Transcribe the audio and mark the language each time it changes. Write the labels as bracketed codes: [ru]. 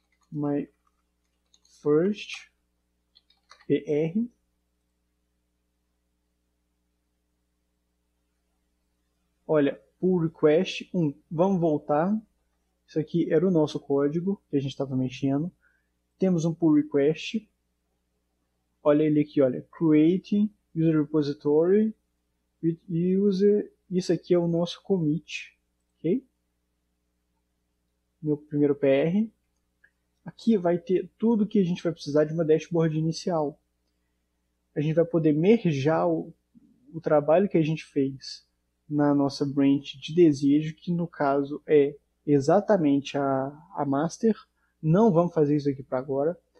[en] My first PR. [pt] Olha, pull request 1. Vamos voltar. Isso aqui era o nosso código que a gente estava mexendo. Temos um pull request. Olha ele aqui, olha. [en] Creating user repository with user. [pt] Isso aqui é o nosso commit. Ok? Meu primeiro PR. Aqui vai ter tudo que a gente vai precisar de uma dashboard inicial. A gente vai poder mergear os o trabalho que a gente fez na nossa branch de desejo, que no caso é exatamente a master, não vamos fazer isso aqui para agora.